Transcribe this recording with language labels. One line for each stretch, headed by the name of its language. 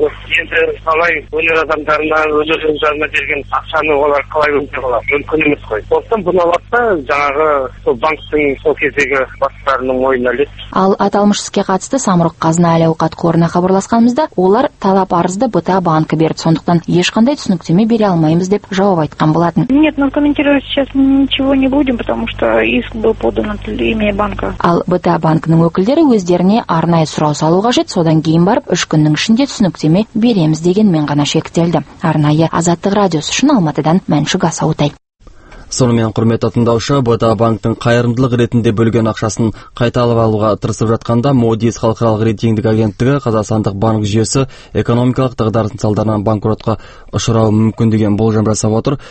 Kazakh: Өнер адамдарына өзінің жанына берген ақшаны олар қалай өндіріп алады? Мүмкін емес қой. Сондықтан бұны алса, жаңағы сол банктің сол кездегі бастарының мойнына ілетті. Ал аталмыш іске қатысты Самұрық қазына әл-ауқат қорына хабарласқанымызда, олар талап арызды БТА банкі берді, сондықтан ешқандай түсініктеме бере алмаймыз деп жауап айтқан болатын.
Russian: Нет, но комментировать сейчас ничего не будем, потому что иск был подан от имени банка.
Kazakh: Ал БТА банкінің өкілдері өздеріне арнайы сұрау салу қажет, содан кейін барып 3 күннің ішінде түсініктеме береміз дегенмен ғана шектелді. Арнайы Азаттық радиосы үшін Алматыдан Мәншүк Асаутай. Сонымен құрметті тыңдаушы, БТА банктің қайырымдылық ретінде бөлген ақшасын қайтарып алуға тырысып жатқанда Moody's халықаралық рейтингтік агенттігі қазақстандық банк жүйесі экономикалық дағдарыстың салдарынан банкротқа ұшырауы мүмкін деген болжам жасап отыр.